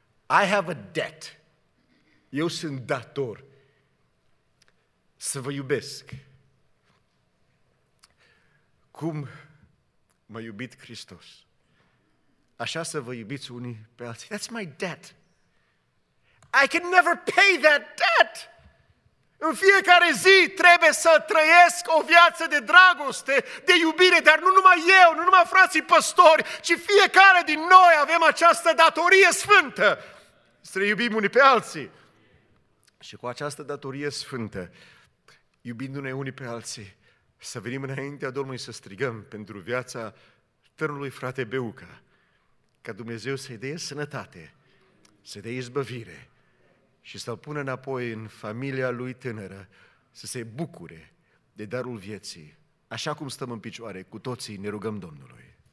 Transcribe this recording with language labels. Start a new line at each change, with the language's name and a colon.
English: I have a debt.
Romanian: Eu sunt dator să vă iubesc. Cum m-a iubit Hristos. Așa să vă iubiți unii pe alții.
English: That's my debt. I can never pay that debt.
Romanian: În fiecare zi trebuie să trăiesc o viață de dragoste, de iubire, dar nu numai eu, nu numai frații păstori, ci fiecare din noi avem această datorie sfântă să ne iubim unii pe alții. Și cu această datorie sfântă, iubindu-ne unii pe alții, să venim înaintea Domnului să strigăm pentru viața tărnului frate Beuca, ca Dumnezeu să-i dea sănătate, să-i dea izbăvire și să-l pună înapoi în familia lui tânără, să se bucure de darul vieții, așa cum stăm în picioare cu toții, ne rugăm Domnului.